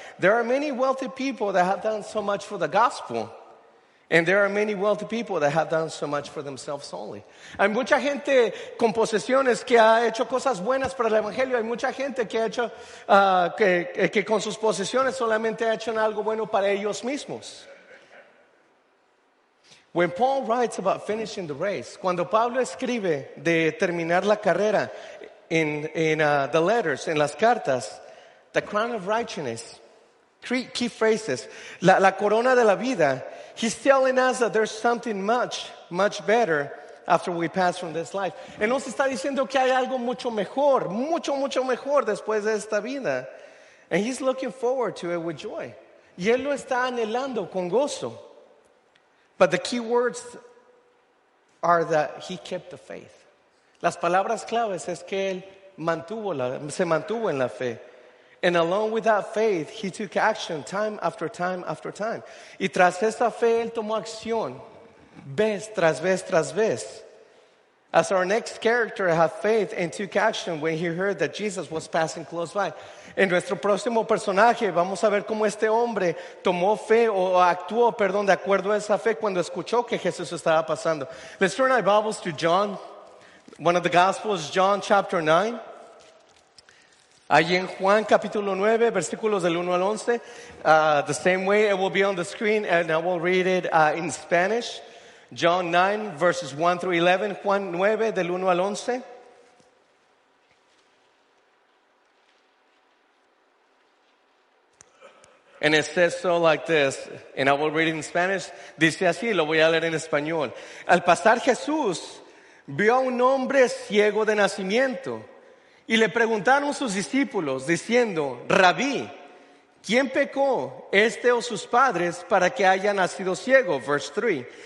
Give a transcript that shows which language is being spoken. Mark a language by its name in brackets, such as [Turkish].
[English] There are many wealthy people that have done so much for the gospel. And there are many wealthy people that have done so much for themselves only. [Spanish] Hay mucha gente con posesiones que ha hecho cosas buenas para el evangelio. Hay mucha gente que ha hecho que con sus posesiones solamente ha hecho algo bueno para ellos mismos. [English] When Paul writes about finishing the race, [Spanish] cuando Pablo escribe de terminar la carrera [English] the letters, [Spanish] en las cartas, [English] the crown of righteousness, key phrases, [Spanish] la corona de la vida. [English] He's telling us that there's something much, much better after we pass from this life. [Spanish] Él nos está diciendo que hay algo mucho mejor, mucho, mucho mejor después de esta vida. [English] And he's looking forward to it with joy. [Spanish] Y él lo está anhelando con gozo. [English] But the key words are that he kept the faith. [Spanish] Las palabras claves es que él se mantuvo en la fe. [English] And along with that faith, he took action time after time after time. [Spanish] Y tras esa fe, él tomó acción vez tras vez tras vez. [English] As our next character had faith and took action when he heard that Jesus was passing close by. [Spanish] En nuestro próximo personaje, vamos a ver cómo este hombre tomó fe o actuó, perdón, de acuerdo a esa fe cuando escuchó que Jesús estaba pasando. [English] Let's turn our Bibles to John, one of the Gospels, John chapter 9. [Spanish] Allí en Juan capítulo 9, versículos del 1 al 11. [English] The same way it will be on the screen and I will read it in Spanish. John 9 verses 1 through 11. [Spanish] Juan 9 del 1 al 11. [English] And it says so like this, and I will read it in Spanish. [Spanish] Dice así, lo voy a leer en español. Al pasar Jesús vio a un hombre ciego de nacimiento. Y le preguntaron sus discípulos, diciendo, Rabí, ¿quién pecó, este o sus padres, para que haya nacido ciego? [English] Verse 3.